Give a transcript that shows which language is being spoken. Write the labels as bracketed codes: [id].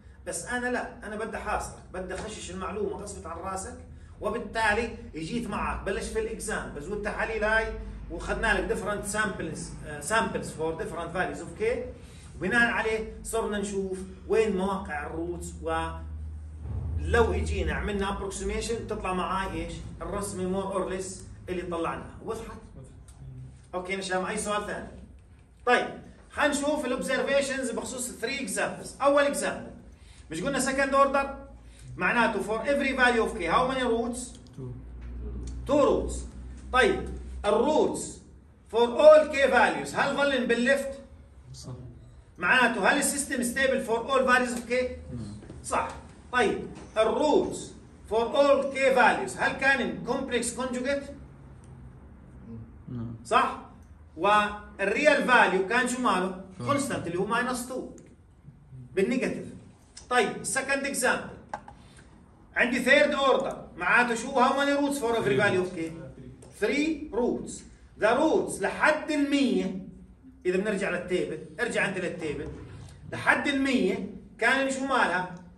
[ar] بس انا لا، انا بدي حاصلك، بدي اخشش المعلومه غصبت عن راسك، وبالتالي اجيت معك بلش في الاكزام بزود تحاليل هاي وخدنا لك [en] different samples, samples for different values of k, [ar] وبناء عليه صرنا نشوف وين مواقع الروتس. ولو اجينا عملنا ابروكسيميشن بتطلع معاي ايش؟ الرسمه [en] more or less [ar] اللي طلعناها. وضحت؟ اوكي نشام، اي سؤال ثاني؟ طيب خلينا نشوف الاوبزرفيشنز بخصوص 3 اكزامبلز. [en] اول اكزامبل مش قلنا سكند اوردر؟ معناته for every value of k how many roots؟ two roots. طيب الroots for all k values هل ظلن بالليفت؟ [ar] صح. معناته هل السيستم [en] stable for all values of k؟ صح. طيب الroots for all k values هل كان complex conjugate؟ صح. [ar] والreal value كان شو ماله؟ constant اللي هو [en] minus two [ar] بالنيجاتيف. [en] طيب second example عندي third order, [ar] معناته شو؟ [en] How many roots for every value of k? 3 روتس. [ar] ذا روتس لحد ال 100، اذا بنرجع للتيبل، ارجع انت للتيبل، لحد ال 100 كان شو مالها؟